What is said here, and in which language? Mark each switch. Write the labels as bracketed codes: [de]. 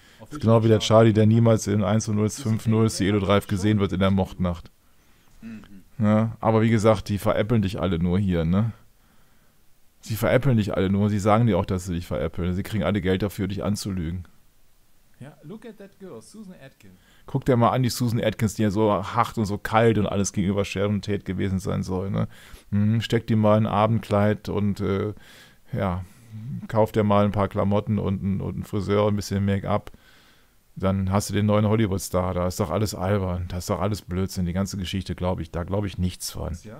[de] Ist genau wie der Charlie, der niemals in 10050 Cielo Drive gesehen wird in der Mordnacht. Ja, aber wie gesagt, die veräppeln dich alle nur hier, ne? Sie veräppeln dich alle nur, sie sagen dir auch, dass sie dich veräppeln. Sie kriegen alle Geld dafür, dich anzulügen. [en] Ja, look at that girl, Susan Atkins. [de] Guck dir mal an, die Susan Atkins, die ja so hart und so kalt und alles gegenüber Sharon Tate gewesen sein soll, ne? Steck dir mal ein Abendkleid und kauf dir mal ein paar Klamotten und einen Friseur, ein bisschen Make-up. Dann hast du den neuen Hollywood-Star, da ist doch alles albern, das ist doch alles Blödsinn, die ganze Geschichte, glaube ich, da glaube ich nichts von.